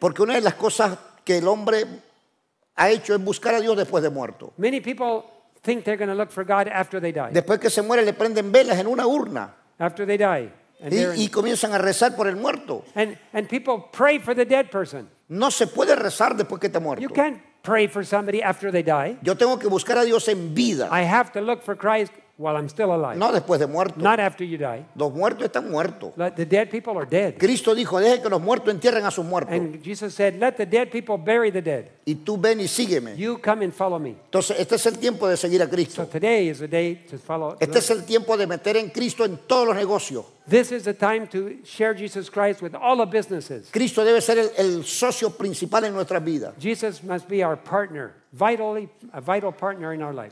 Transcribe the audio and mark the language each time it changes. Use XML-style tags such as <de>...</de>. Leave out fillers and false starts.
<es>Porque una de las cosas que el hombre ha hecho es buscar a Dios después de muerto.</es> <en>Many people think they're going to look for God after they die.</en> <es>Después que se muere, le prenden velas en una urna.</es> <en>After they die.</en> <es>And y comienzan a rezar por el muerto.</es> <en>And people pray for the dead person.</en> <es>No se puede rezar después que está muerto.</es> <en>You can't pray for somebody after they die.</en> <es>Yo tengo que buscar a Dios en vida.</es> <en>I have to look for Christ while I'm still alive.</en> <es>No después de muerto.</es> <en>Not after you die.</en> <es>Los muertos están muertos.</es> <en>Let the dead people are dead.</en> <es>Cristo dijo, deje que los muertos entierren a sus muertos.</es> <en>And Jesus said, let the dead people bury the dead.</en> <es>Y tú ven y sígueme.</es> <en>You come and follow me.</en> <es>Entonces, este es el tiempo de seguir a Cristo.</es> <en>So today is the day to follow.</en> <es>Este es el tiempo de meter en Cristo en todos los negocios.</es> <en>This is the time to share Jesus Christ with all the businesses.</en> <es>Cristo debe ser el socio principal en nuestras vidas.</es> <en>Jesus must be our partner, vitally, a vital partner in our life.</en>